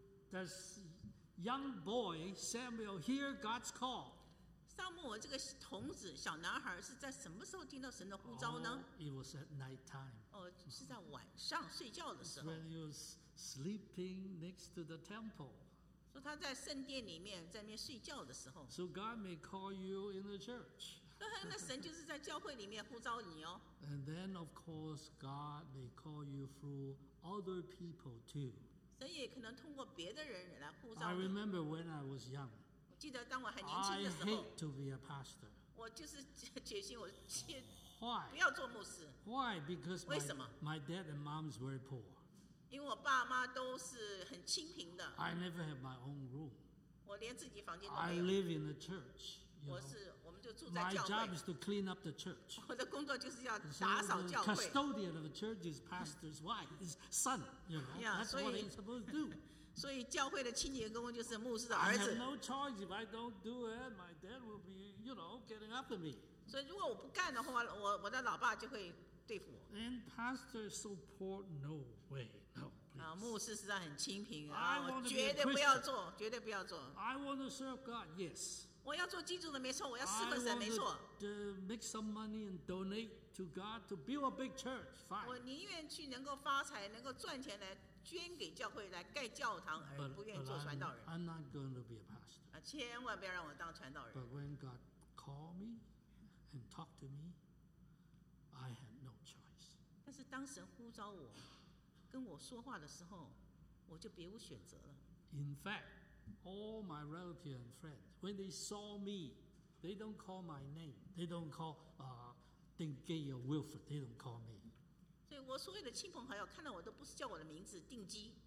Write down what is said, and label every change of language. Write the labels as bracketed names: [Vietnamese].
[English] Does young boy Samuel hear God's call? [Chinese] 撒母耳这个童子小男孩是在什么时候听到神的呼召呢？ [English] It was at night time. [Chinese] 哦，是在晚上睡觉的时候。 [English] When he was sleeping next to the temple. [Chinese] 说他在圣殿里面在那边睡觉的时候。 [English] So God may call you in the church. [Chinese] 那神就是在教会里面呼召你哦。 [English] And then, of course, God may call you through other people too. [Chinese] 神也可能通过别的人来呼召你。 [English] I remember when I was young. [Chinese] 记得当我还年轻的时候。 [English] I hate to be a pastor. [Chinese] 我就是决心，我 [English] Why? [Chinese] 不要做牧师。 [English] Why? Because [Chinese] 为什么 [English] my dad and mom is very poor. [Chinese] 因为我爸妈都是很清贫的。 [English] I never have my own room. [Chinese] 我连自己房间都没有。 [English] I live in the church. My job is to clean up the church. [Chinese] 我的工作就是要打扫教会。 [English] The custodian of the church is pastor's wife, his son. You know, that's what he's supposed to do. [Chinese] 所以教会的清洁工就是牧师的儿子。 [English] I have no choice if I don't do it. My dad will be, you know, getting after me. [Chinese] 所以如果我不干的话，我的老爸就会对付我。 [English] And pastor is so poor, no way, no. [Chinese] 牧师实在很清贫啊，我绝对不要做，绝对不要做。 [English] I want to serve God, yes. [Chinese] 我要做基督的没错，我要侍奉神没错。 [English] To make some money and donate to God to build a big church, fine. [Chinese] 我宁愿去能够发财，能够赚钱来捐给教会，来盖教堂，而不愿意做传道人。 [English] But I'm not going to be a pastor. [Chinese] 千万不要让我当传道人。 [English] But when God called me and talked to me, I had no choice. [Chinese] 但是当神呼召我，跟我说话的时候，我就别无选择了。 [English] In fact. All my relatives and friends, when they saw me, they don't call my name. They don't call Ding Gi or Wilfred. They don't call me. [Chinese] 所以我所有的亲朋好友看到我都不是叫我的名字定基。